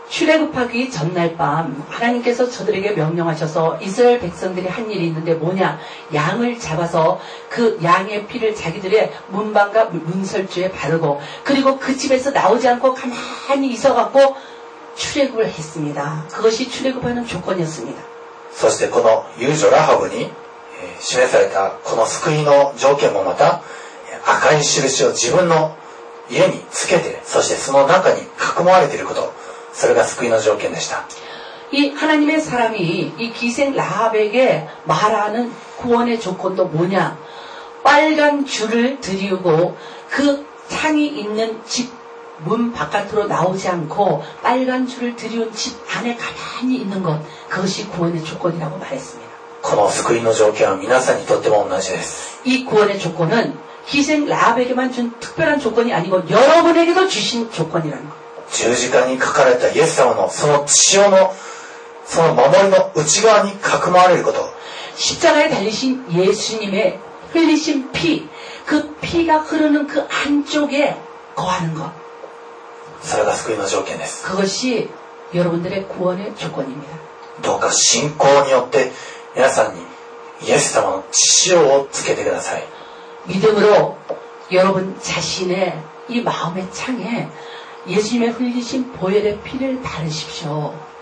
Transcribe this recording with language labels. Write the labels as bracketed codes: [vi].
[ko] 출애굽하기 전날 밤 하나님께서 저들에게 명령하셔서 이스라엘 백성들이 한 일이 있는데 뭐냐? 양을 잡아서 그 양의 피를 자기들의 문방과 문설주에 바르고 그리고 그 집에서 나오지 않고 가만히 있어갖고 출애굽을 했습니다. 그것이 출애굽하는 조건이었습니다. [ja] そしてこの遊女ラハブに示されたこの救いの条件もまた赤い印を自分の家につけて、そしてその中に囲まれていること。それが救いの条件でした。 [ko] 이 하나님의 사람이 이 기생 라합에게 말하는 구원의 조건도 뭐냐? 빨간 줄을 드리우고 그 창이 있는 집 문 바깥으로 나오지 않고 빨간 줄을 드리운 집 안에 가만히 있는 것, 그것이 구원의 조건이라고 말했습니다. [ja] この救いの条件は皆さんにとっても同じです。 [ko] 이 구원의 조건은 기생 라합에게만 준 특별한 조건이 아니고 여러분에게도 주신 조건이라는 것. [ja] 十字架に書かれたイエス様のその血をその守りの内側に囲まれること。 [ko] 십자가에 달리신 예수님의 흘리신 피, 그 피가 흐르는 그 안쪽에 거하는 것. [ja] それが救いの条件です。 [ko] 그것이 여러분들의 구원의 조건입니다. [ja] どうか信仰によって皆さんにイエス様の血をつけてください。 [ko] 믿음으로 여러분 자신의 이 마음의 창에 예수님의 흘리신 보혈의 피를 바르십시오.